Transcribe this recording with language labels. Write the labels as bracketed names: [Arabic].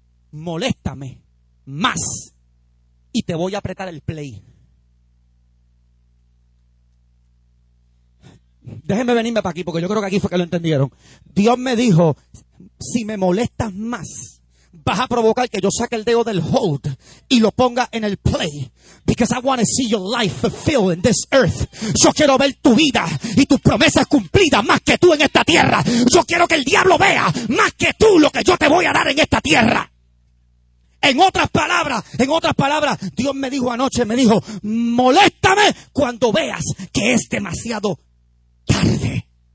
[Spanish] Moléstame más y te voy a apretar el play. Déjenme venirme para aquí, porque yo creo que aquí fue que lo entendieron. Dios me dijo, si me molestas más, vas a provocar que yo saque el dedo del hold y lo ponga en el play. [English] Because I want to see your life fulfilled in this earth. [Spanish] Yo quiero ver tu vida y tus promesas cumplidas más que tú en esta tierra. Yo quiero que el diablo vea más que tú lo que yo te voy a dar en esta tierra. En otras palabras, Dios me dijo anoche, me dijo, moléstame cuando veas que es demasiado tarde.